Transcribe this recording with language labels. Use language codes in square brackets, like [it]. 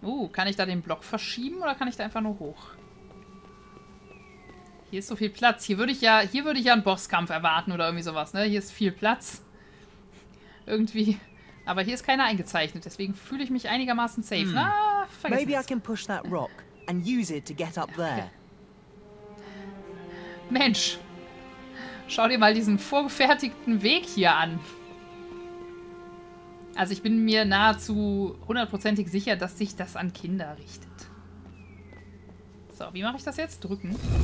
[de] Kann ich da den Block verschieben oder kann ich da einfach nur hoch? Hier ist so viel Platz. Hier würde ich ja einen Bosskampf erwarten oder irgendwie sowas, ne? Hier ist viel Platz. Irgendwie. Aber hier ist keiner eingezeichnet, deswegen fühle ich mich einigermaßen safe. Hm. Ah, vergiss [en] Maybe I can push that rock and use it to get up there. [de] Mensch! Schau dir mal diesen vorgefertigten Weg hier an. Also ich bin mir nahezu hundertprozentig sicher, dass sich das an Kinder richtet. So, wie mache ich das jetzt? Drücken.